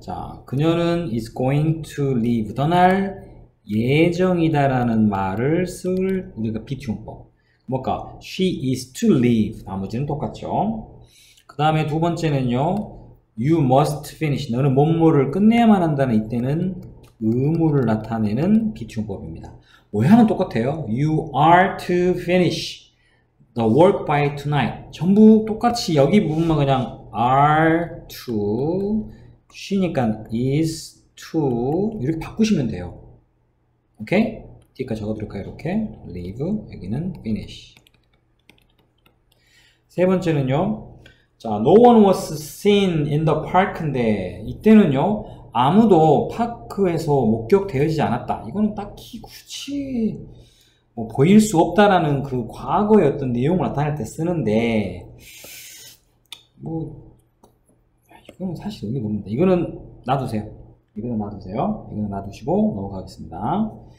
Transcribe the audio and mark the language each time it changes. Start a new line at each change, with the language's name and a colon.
Korean: 자, 그녀는
English: is going to leave
Korean: 떠날 예정이다라는 말을 쓸 우리가 be-to 용법. 뭘까?
English: she is to leave.
Korean: 나머지는 똑같죠. 그 다음에 두 번째는요.
English: you must finish.
Korean: 너는 뭐뭐를 끝내야만 한다는 이때는 의무를 나타내는 be-to 용법입니다. 모양은 똑같아요.
English: you are to finish the work by tonight.
Korean: 전부 똑같이 여기 부분만 그냥 are to, 쉬니까 is to, 이렇게 바꾸시면 돼요. 오케이? 뒤까지 적어드릴까요? 이렇게.
English: leave,
Korean: 여기는
English: finish.
Korean: 세 번째는요.
English: 자, no one was seen in the park인데,
Korean: 이때는요. 아무도 파크에서 목격되어지지 않았다. 이거는 딱히 굳이 뭐 보일 수 없다라는 그 과거의 어떤 내용을 나타낼 때 쓰는데, 뭐, 이건 사실 의미가 없는데. 이거는 놔두세요. 이거는 놔두세요. 이거는 놔두시고 넘어가겠습니다.